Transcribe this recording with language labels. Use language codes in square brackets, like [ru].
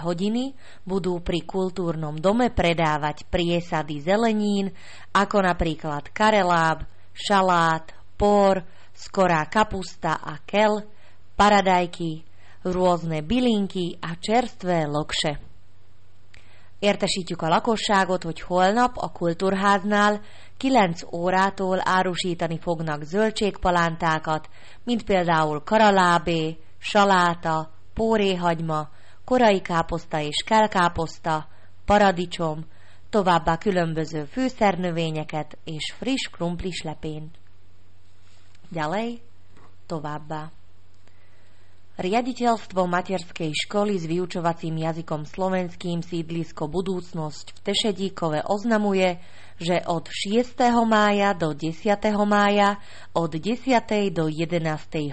[sk] hodiny budú pri kultúrnom dome predávať priesady zelenín, ako napríklad kareláb, šalát, por, skorá kapusta a kel, paradajky, rôzne bylinky a čerstvé lokše. [hu] Értesítjük a lakosságot, hogy holnap a kultúrháznál 9 órától árusítani fognak zöldségpalántákat, mint például karalábé, saláta, póréhagyma, korai káposzta és kelkáposzta, paradicsom, továbbá különböző fűszernövényeket és friss krumplis lepén. [sk] Ďalej, [hu] továbbá. [sk] Riaditeľstvo materskej školy s vyučovacím jazykom slovenským sídlisko Budúcnosť v Tešedíkove oznamuje, že od 6. mája do 10. mája od 10. do 11.